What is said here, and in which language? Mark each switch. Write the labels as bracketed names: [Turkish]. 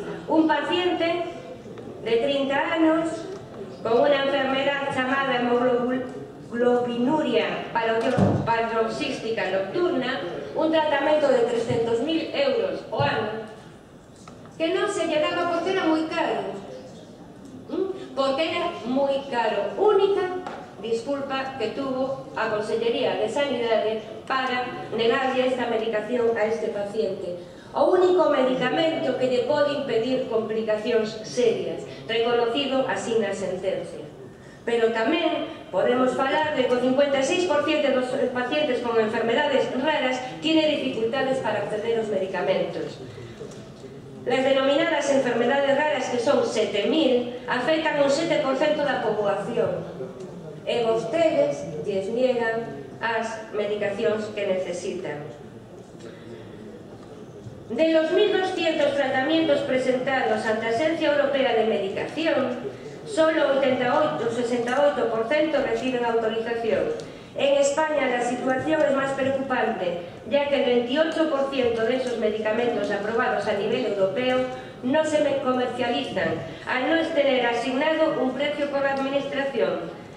[Spanish] Un paciente de 30 años con una enfermedad llamada hemoglobinuria paroxística nocturna, un tratamiento de 300.000 euros o año, que no se llegaba porque era muy caro. Porque era muy caro. Única disculpa que tuvo [Galician] a Consellería de Sanidade [Spanish] para negarle esta medicación a este paciente. [Galician] O único medicamento que lle pode impedir complicacións serias, reconocido así na sentencia. Pero tamén podemos falar de que o 56% dos pacientes con [Spanish] enfermedades raras tiene dificultades [Galician] para acceder aos medicamentos. [Spanish] Las denominadas enfermedades raras, que son 7.000, afectan un 7% [Galician] da poboación. E vostedes lles niegan as medicacións que necesitan. [Spanish] De los 1.200 tratamientos presentados ante a Agencia Europea de Medicación, solo 68% reciben autorización. En España la situación es más preocupante, ya que el 28% de esos medicamentos aprobados a nivel europeo no se comercializan, al no tener asignado un precio por la administración.